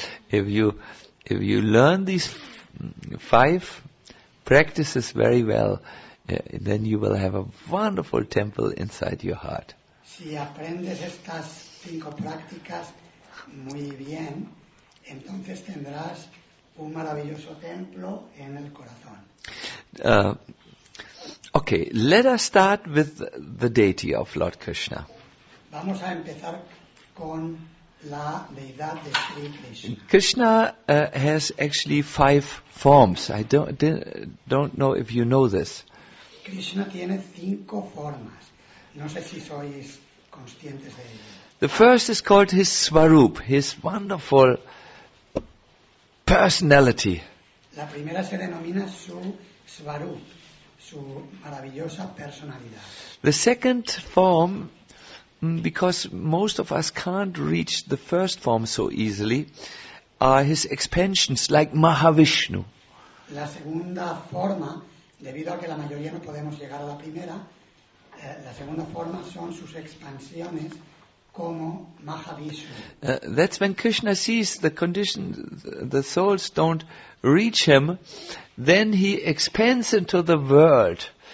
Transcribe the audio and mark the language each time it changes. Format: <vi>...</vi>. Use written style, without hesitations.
<en>If you learn these five practices very well, then you will have a wonderful temple inside your heart.</en> <es>Si aprendes estas cinco prácticas muy bien, entonces tendrás un maravilloso templo en el corazón.</es> <en>Okay, let us start with the deity of Lord Krishna.</en> <es>Vamos a empezar con la deidad de Sri Krishna.</es> <en>Krishna has actually five forms. I don't know if you know this.</en> <es>Krishna tiene cinco formas. No sé si sois conscientes de ello.</es> <en>The first is called his Swarup, his wonderful personality.</en> <es>La primera se denomina su Swarup, su maravillosa personalidad.</es> <en>The second form, because most of us can't reach the first form so easily, are his expansions, like Mahavishnu.</en> <es>La segunda forma, debido a que la mayoría no podemos llegar a la primera, la segunda forma son sus expansiones como Mahavishnu.</es> <en>That's when Krishna sees the condition, the souls don't reach him, then he expands into the world.</en>